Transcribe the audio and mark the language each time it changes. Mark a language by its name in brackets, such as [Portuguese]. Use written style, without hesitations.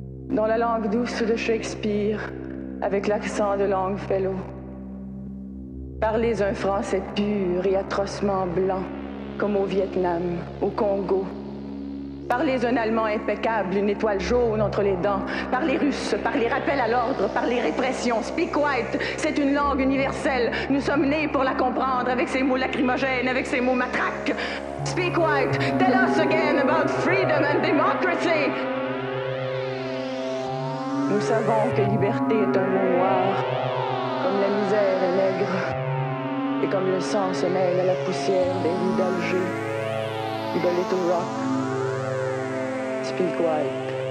[French] Dans la langue douce de Shakespeare, avec l'accent de Longfellow, parlez un français pur et atrocement blanc, comme au Vietnam, au Congo. Parlez un allemand impeccable, une étoile jaune entre les dents. Parlez russe, parlez rappel à l'ordre, parlez répression. [English] Speak white, [French] c'est une langue universelle. Nous sommes nés pour la comprendre avec ses mots lacrymogènes, avec ses mots matraques. [English] Speak white, tell us again about freedom and democracy. [French] Nous savons que liberté est un mot noir, comme la misère est nègre, et comme le sang se mêle à la poussière des rues d'Alger et de Little Rock. [English] Speak white.